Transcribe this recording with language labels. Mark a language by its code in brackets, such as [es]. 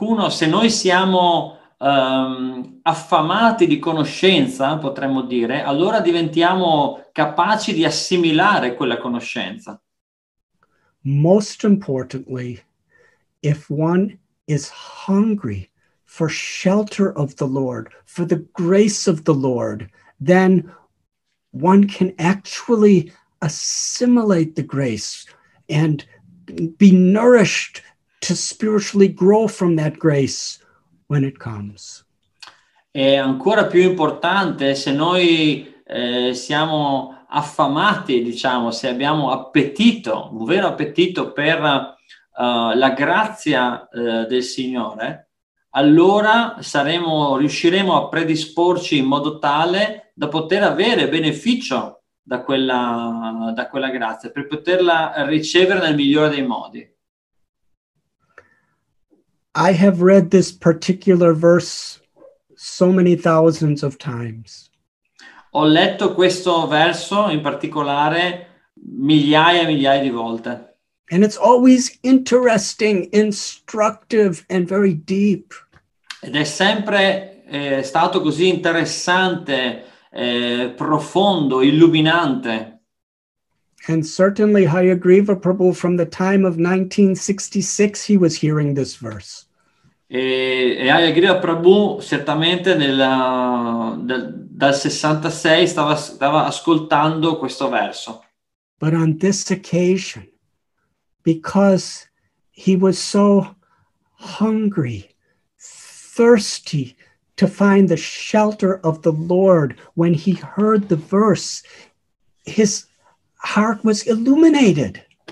[it] Se noi siamo affamati di conoscenza, potremmo dire, allora diventiamo capaci di assimilare quella conoscenza. [en] Most importantly, if one is hungry for shelter of the Lord, for the grace of the Lord, then one can actually assimilate the grace and be nourished to spiritually grow from that grace when it comes. [it] È ancora più importante se noi siamo affamati, diciamo, se abbiamo appetito, un vero appetito per la grazia del Signore, allora riusciremo a predisporci in modo tale da poter avere beneficio da quella grazia, per poterla ricevere nel migliore dei modi. [en] I have read this particular verse so many thousands of times. [it] Ho letto questo verso in particolare migliaia e migliaia di volte. [en] And it's always interesting, instructive, and very deep. [it] Ed è sempre stato così interessante, profondo, illuminante. [en] And certainly Hayagriva Prabhu, from the time of 1966, he was hearing this verse. [it] E Hayagriva Prabhu certamente dal 66 stava ascoltando questo verso. [en] But on this occasion, because he was so hungry, thirsty to find the shelter of the Lord, when he heard the verse, his heart was illuminated.